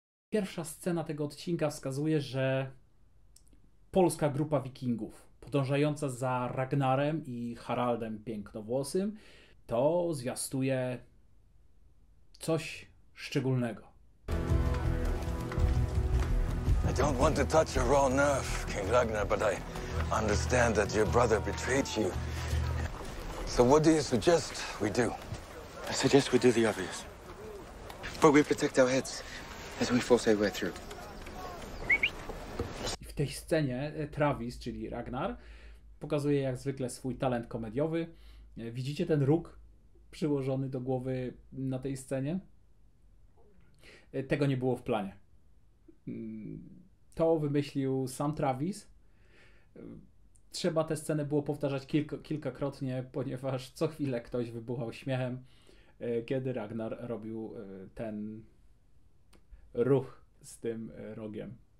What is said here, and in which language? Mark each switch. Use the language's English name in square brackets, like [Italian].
[Polish] Pierwsza scena tego odcinka wskazuje, że polska grupa Wikingów podążająca za Ragnarem i Haraldem Pięknowłosym to zwiastuje coś szczególnego. [English] I don't want to touch your raw nerve, King Ragnar, but I understand that your brother betrayed you. So what do you suggest we do? I suggest we do the obvious. But we protect our heads. As we force our way through. [Polish] W tej scenie Travis, czyli Ragnar, pokazuje jak zwykle swój talent komediowy. Widzicie ten róg przyłożony do głowy na tej scenie? Tego nie było w planie. To wymyślił sam Travis. Trzeba tę scenę było powtarzać kilkakrotnie, ponieważ co chwilę ktoś wybuchał śmiechem, kiedy Ragnar robił ten ruch z tym rogiem.